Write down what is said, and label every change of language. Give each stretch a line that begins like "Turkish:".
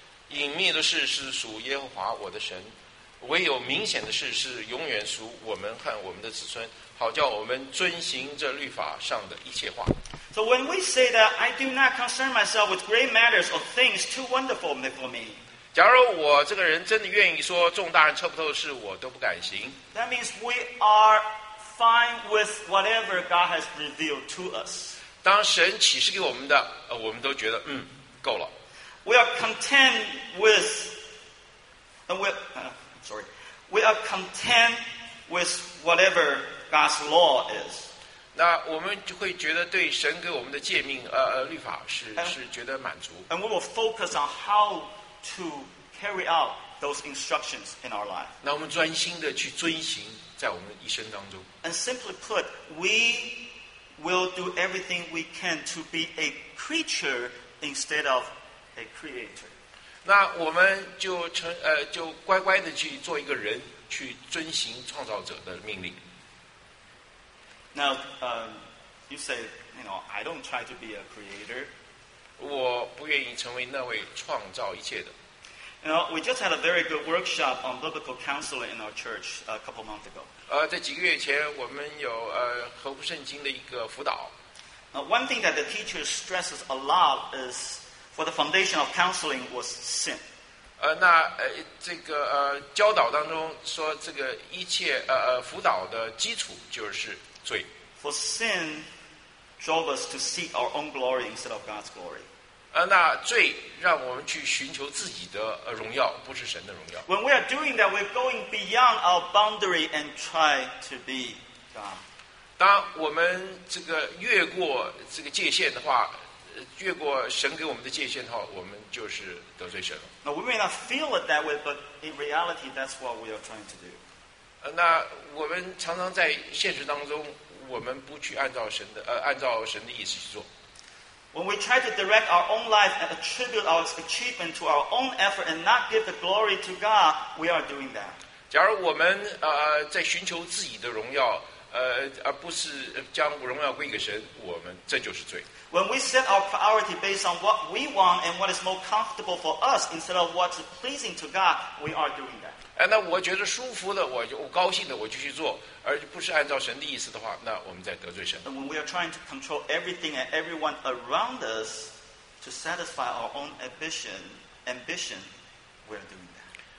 Chinese: 隐秘的事是属耶和华我的神。唯有明显的事是永远属我们和我们的子孙，好叫我们遵行这律法上的一切话。
English: So when we say that I do not concern myself with great matters or things too wonderful for me,
Chinese: 假如我这个人真的愿意说重大人测不透的事我都不敢行。
English: That means we are fine with whatever God has revealed to us.
Chinese: 当神启示给我们的，我们都觉得够了。
English: We are content with, and we. Sorry, we are content with whatever God's law is.
Chinese: 那我们就会觉得对神给我们的诫命，律法是觉得满足。
English: And we will focus on how to carry out those instructions in our life.
Chinese: 那我们专心的去遵行在我们一生当中。
English: And simply put, we will do everything we can to be a creature instead of a creator.
Chinese: 那我们就就乖乖的去做一个人，去遵行创造者的命令。
English: Now, you say, you know, I don't try to be a creator.
Chinese: 我不愿意成为那位创造一切的。
English: You know, we just had a very good workshop on biblical counseling in our church a couple months ago.
Chinese: 在几个月前，我们有合乎圣经的一个辅导。
English: One thing that the teacher stresses a lot is. For the foundation of counseling was sin.
Chinese: 那这个教导当中说，这个一切辅导的基础就是罪。
English: For sin drove us to seek our own glory instead of God's glory.
Chinese: 那罪让我们去寻求自己的荣耀，不是神的荣耀。
English: When we are doing that, we're going beyond our boundary and try to be God.
Chinese: 当我们这个越过这个界限的话，越过神给我们的界限的话，我们就是得罪神了。
English: Now we may not feel it that way, but in reality, that's what we are trying to do.
Chinese: 那我们常常在现实当中，我们不去按照神的按照神的意思去做。
English: When we try to direct our own life and attribute our achievement to our own effort and not give the glory to God, we are doing that.
Chinese: 假如我们在寻求自己的荣耀，而不是将荣耀归给神，我们这就是罪。
English: When we set our priority based on what we want and what is more comfortable for us instead of what's pleasing to God, we are doing that.
Chinese: 那我觉得舒服的，我高兴的，我就去做，而不是按照神的意思的话，那我们在得罪神。
English: And when we are trying to control everything and everyone around us to satisfy our own ambition, we are doing that.